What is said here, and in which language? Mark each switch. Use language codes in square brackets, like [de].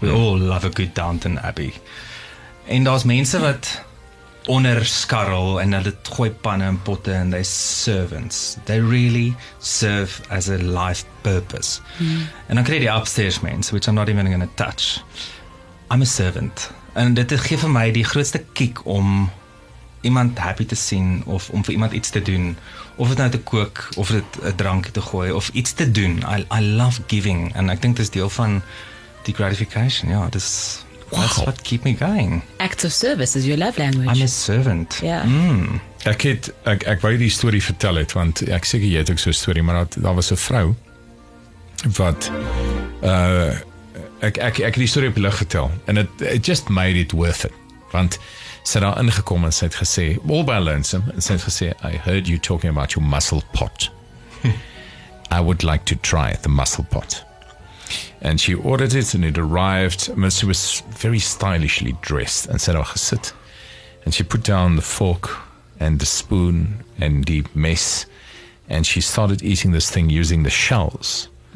[en] We all love a good Downton Abbey. And there's [af] mense wat onder skarrel en hulle gooi panne en potte en [en] they're servants. They really serve as a life purpose. And [af] dan kreeg die upstairs mense, [en] which I'm not even going to touch. I'm a servant. [af] En dit geef vir my die grootste kick om iemand happy te sien, of om vir iemand iets te doen, of het nou te kook, of het een drankje te gooi, of iets te doen. [en] I love giving, [af] en ek dink dis deel van die gratification, ja, dis, [en] that's what keep me going. Acts of service is your love language. I'm a servant. Yeah. [af] Ek wou die story vertel het, want ek seker jy het ook so'n story, maar daar was een vrou, wat, ek het die story op die lucht vertel, en [en] it just made it worth it, [af] want sy daar ingekom en sy het gesê, [en] all by lonesome, [af] en sy het gesê, [en] I heard you talking about your mussel pot. I would like to try the mussel pot. And she ordered it and it arrived, but she was very stylishly dressed, and [af] sy daar gesit, [en] and she put down the fork and the spoon and the mess, and she started eating this thing using the shells.